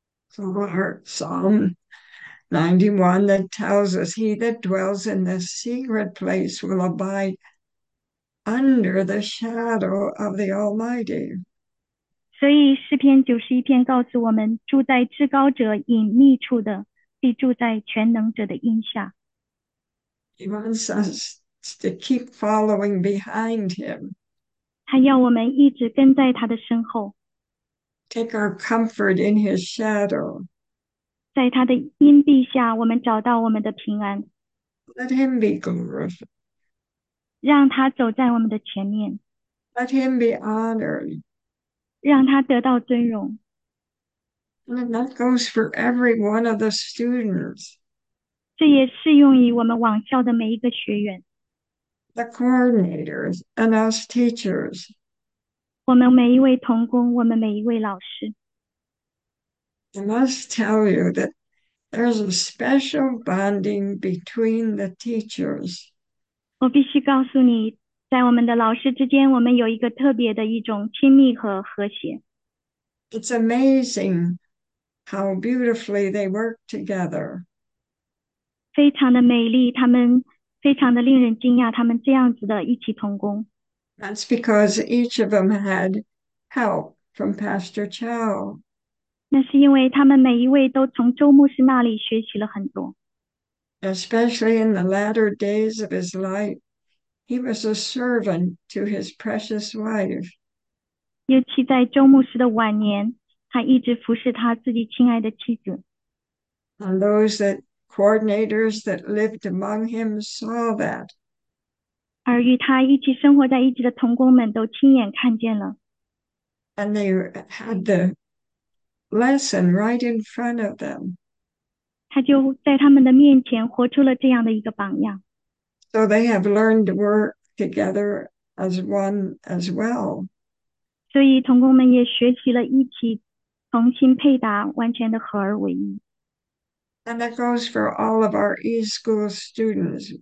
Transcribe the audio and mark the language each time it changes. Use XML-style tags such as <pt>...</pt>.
<en>So our Psalm 91 that tells us, He that dwells in the secret place will abide under the shadow of the Almighty.</en> <zh>所以诗篇91篇告诉我们，住在至高者隐秘处的，必住在全能者的荫下。</zh> <en>He wants us to keep following behind him.</en> <zh>他要我们一直跟在他的身后。</zh> <en>Take our comfort in his shadow.</en> <zh>在他的荫庇下，我们找到我们的平安，</zh> <en>Let him be glorified.</en> <zh>让他走在我们的前面，</zh> <en>Let him be honored.</en> <zh>让他得到尊荣。</zh> <en>And that goes for every one of the students.</en> <zh>这也适用于我们网校的每一个学员，</zh> <en>The coordinators and us teachers.</en> <zh>我们每一位同工，我们每一位老师。</zh> <en>I must tell you that there's a special bonding between the teachers.</en> <zh>我必须告诉你，在我们的老师之间，我们有一个特别的一种亲密和和谐。</zh> <en>It's amazing how beautifully they work together.</en> <zh>非常的美丽，他们非常的令人惊讶，他们这样子的一起同工。</zh> <en>That's because each of them had help from Pastor Chow.</en> <zh>那是因为他们每一位都从周牧师那里学习了很多。</zh> <en>Especially in the latter days of his life, he was a servant to his precious wife.</en> <zh>尤其在周牧师的晚年，他一直服侍他自己亲爱的妻子。</zh> <en>And those that coordinators that lived among him saw that.</en> <zh>而与他一起生活在一起的同工们都亲眼看见了。</zh> <en>And they had the lesson right in front of them.</en> <zh>他就在他们的面前活出了这样的一个榜样。</zh> <en>So they have learned to work together as one as well.</en> <zh>所以，同工们也学习了一起同心配搭，完全的合而为一。</zh> <en>And that goes for all of our e-school students.</en>